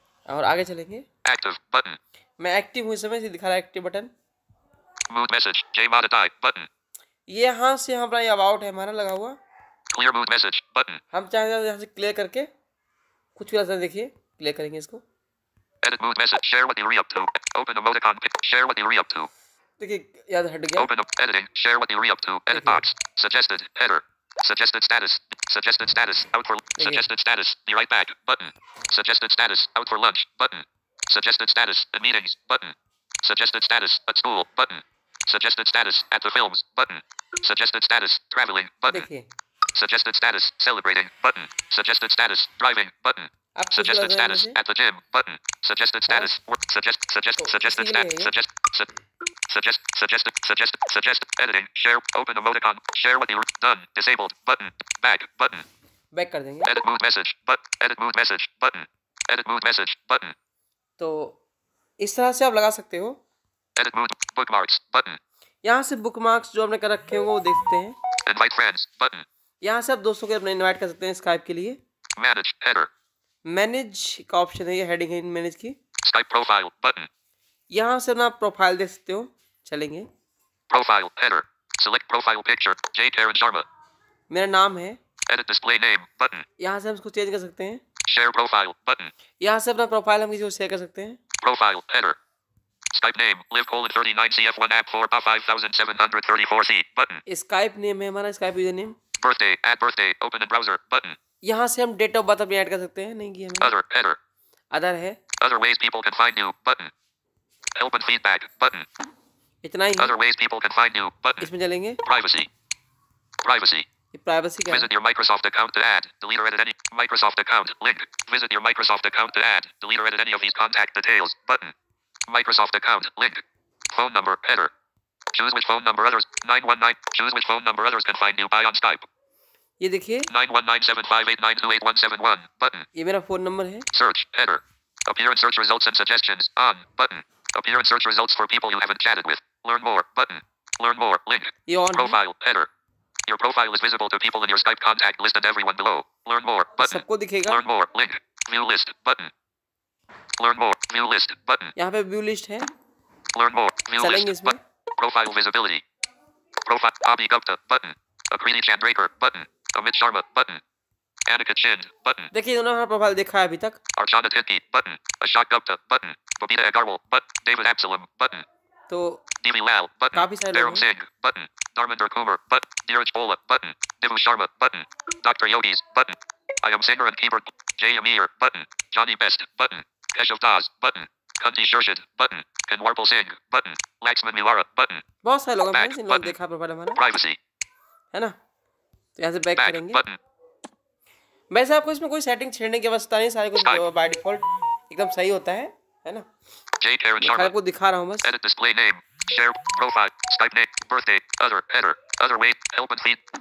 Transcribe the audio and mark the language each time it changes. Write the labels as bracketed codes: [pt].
[hi] और आगे चलेंगे, [en] active button, [hi] मैं एक्टिव हूँ समय से दिखा रहा है एक्टिव बटन। [en] mood message जे modify button, [hi] यहाँ से हमारा ये अबाउट है हमारा लगा हुआ, [en] clear mood message button, [hi] हम चाहें तो यहाँ से क्लियर करके कुछ भी आसान, देखिए प्ले करेंगे इसको। [en] Edit mood message, share what you're up to. Open emoticon, share what you're up to. [hi] देखिए याद हट गया। [en] Open editing, share what you're up to. Edit box, suggested header, suggested status out for, suggested status be right back button, suggested status out for lunch button, suggested status at meetings button, suggested status at school button, suggested status at the films button, suggested status traveling button. [hi] देखिए [en] suggested status celebrating button, suggested status driving button, suggested status at the gym button, suggested status work, suggested status suggest editing share open emoticon share what you're done disabled button [hi] back कर देंगे। [en] edit mood message but edit mood message button edit mood message button, [hi] तो इस तरह से आप लगा सकते हो। [en] edit mood bookmarks button, [hi] यहां से bookmarks जो हमने कर रखे हैं वो देखते हैं। [en] invite friends button, [hi] यहाँ से आप दोस्तों को अपने इनवाइट कर सकते हैं स्काइप के लिए। [en] manage header, [hi] मैनेज का ऑप्शन है, ये हेडिंग है मैनेज की। [en] Skype profile button, [hi] यहाँ से ना प्रोफाइल देख सकते हो, चलेंगे। [en] profile header, select profile picture जे टेरन शर्मा, [hi] मेरा नाम है। [en] edit display name button, [hi] यहाँ से हम इसको चेंज कर सकते हैं। [en] share profile button, [hi] यहाँ से अपना प्रोफाइल हम किसी को शेयर कर सकते हैं। [en] profile header, Skype name live:39cf1app4a5734c button, [hi] Skype name है हमारा, Skype user name. [en] birthday add birthday open in browser button, [hi] यहां से हम डेट ऑफ बर्थ अपनी ऐड कर सकते हैं, नहीं किया हमने। अदर है। [en] other ways people can find you button, open feedback button, [hi] इतना ही। [en] other ways people can find you button, [hi] इसमें चलेंगे। [en] privacy [hi] ये privacy क्या है? [en] visit your microsoft account to add delete or edit any microsoft account link, visit your microsoft account to add delete or edit any of these contact details button, microsoft account link, phone number header, choose which phone number others 919, choose which phone number others can find you by on Skype, [hi] ये देखिए [en] 9197589281 button, [hi] ये मेरा phone number है। [en] search header, appear in search results and suggestions on button, appear in search results for people you haven't chatted with, learn more button, learn more link, [hi] ये on [en] profile [hi] है? [en] header, your profile is visible to people in your Skype contact list and everyone below, learn more button, [hi] सबको दिखेगा। [en] learn more link, view list button, learn more view list button, [hi] यहां पे view list है। [en] learn more view list button, profile visibility, profile Abhi Gupta button, Akrini Chandraker button, Amit Sharma button, Annika Chin button, [hi] देखिए दोनों हमारा profile देखा है अभी तक। [en] Archana Titki button, Ashok Gupta button, Babita Agarwal button, David Absalom button, [hi] तो [en] Divi Lal button, [hi] काफी सारे [en] Baram Singh button, Dharmender Kumar button, Dheeraj Bola button, Divu Sharma button, Dr. Yogis button, I am singer and keeper, Jay Amir button, Johnny Best button, Keshav Das button, Kunti Shershid button, Kanwarpal Singh button, Laxman Milara button, [hi] बहुत सारे लोग हैं जिन लोगों देखा profile हमारा, [en] privacy [hi] है ना, तो यहाँ से बैक [en] back [hi] करेंगे [en] button. [hi] वैसे आपको इसमें कोई सेटिंग छेड़ने की आवश्यकता नहीं, सारे कुछ बाय डिफॉल्ट एकदम सही होता है ना। [en] Jay Karan Sharma, [hi] आपको दिखा रहा हूँ बस। [en] edit display name, share profile, Skype name, birthday, other header, other way, open feed,